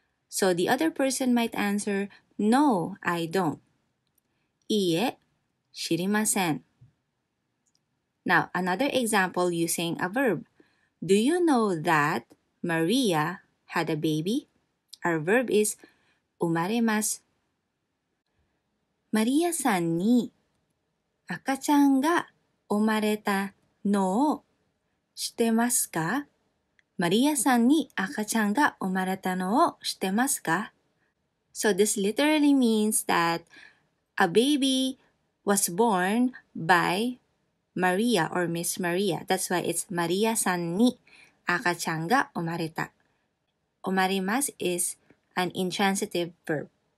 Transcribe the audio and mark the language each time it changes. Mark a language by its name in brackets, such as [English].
[English] So the other person might answer, No, I don't. [Japanese] いいえ、知りません。 [English] Now, another example using a verb. Do you know that Maria had a baby? Our verb is [Japanese] 生まれます。マリアさんに赤ちゃんが生まれたのを知ってますか? マリアさんに赤ちゃんが生まれたのを知ってますか? [English] So this literally means that a baby was born by Maria or Miss Maria. That's why it's [Japanese] マリアさんに赤ちゃんが生まれた。 [English] 生まれます is an intransitive verb.